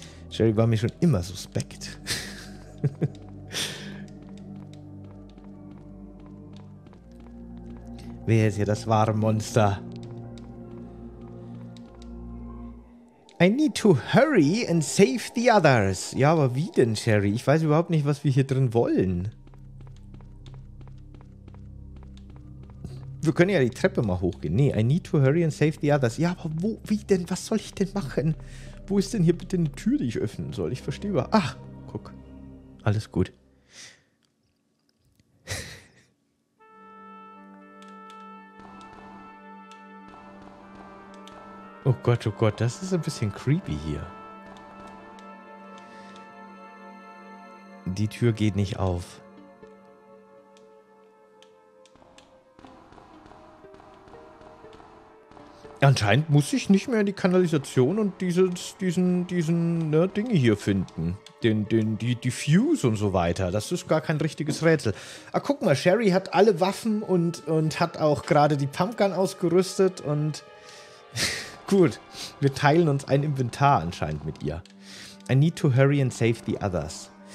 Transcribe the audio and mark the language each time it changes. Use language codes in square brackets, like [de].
[de] Sherry war mir schon immer suspekt. Wer ist hier das wahre Monster? [en] I need to hurry and save the others. [de] Ja, aber wie denn, Sherry? Ich weiß überhaupt nicht, was wir hier drin wollen. Wir können ja die Treppe mal hochgehen. [en] Nee, I need to hurry and save the others. [de] Ja, aber wo, wie denn, was soll ich denn machen? Wo ist denn hier bitte eine Tür, die ich öffnen soll? Ich verstehe aber. Ach, guck. Alles gut. oh Gott, das ist ein bisschen creepy hier. Die Tür geht nicht auf. Anscheinend muss ich nicht mehr in die Kanalisation und Dinge hier finden. Die Diffuse und so weiter. Das ist gar kein richtiges Rätsel. Ah, guck mal, Sherry hat alle Waffen und hat auch gerade die Pumpgun ausgerüstet und... Gut, wir teilen uns ein Inventar anscheinend mit ihr. [en] I need to hurry and save the others.